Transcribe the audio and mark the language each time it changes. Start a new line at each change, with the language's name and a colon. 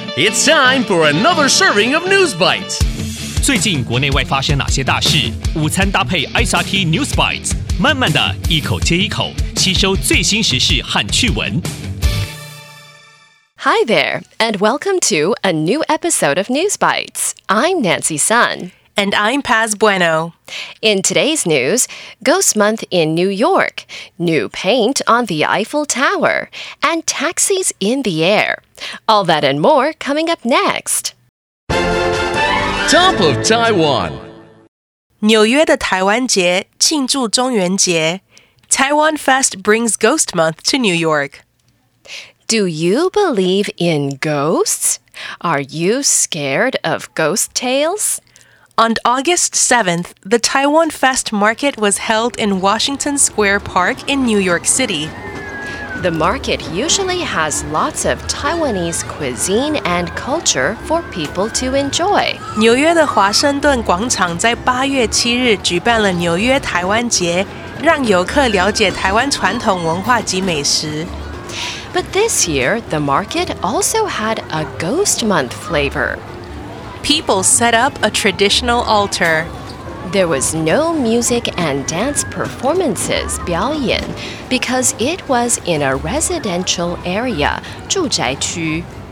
English: It's time for another serving of News Bites.
Chinese: 最近国内外发生哪些大事？午餐搭配 SRT News Bites， 慢慢的一口接一口，吸收最新时事和趣闻。
English: Hi there, and welcome to a new episode of News Bites. I'm Nancy Sun. And I'm Paz Bueno. In today's news, Ghost Month in New York, new paint on the Eiffel Tower, and taxis in the air. All that and more coming up next. Top of Taiwan.
Chinese: 纽约的台湾节庆祝中元节。
English: Taiwan Fest brings Ghost Month to New York. Do you believe in ghosts? Are you scared of ghost tales? On August 7th, the Taiwan Fest Market was held in Washington Square Park in New York City. The market usually has lots of Taiwanese cuisine and culture for people to enjoy.
Chinese: 纽约的华盛顿广场在8月7日举办了纽约台湾节，让游客了解台湾传统文化及美食。
English: But this year, the market also had a Ghost Month flavor. People set up a traditional altar. There was no music and dance performances, 表演, because it was in a residential area, 住宅区.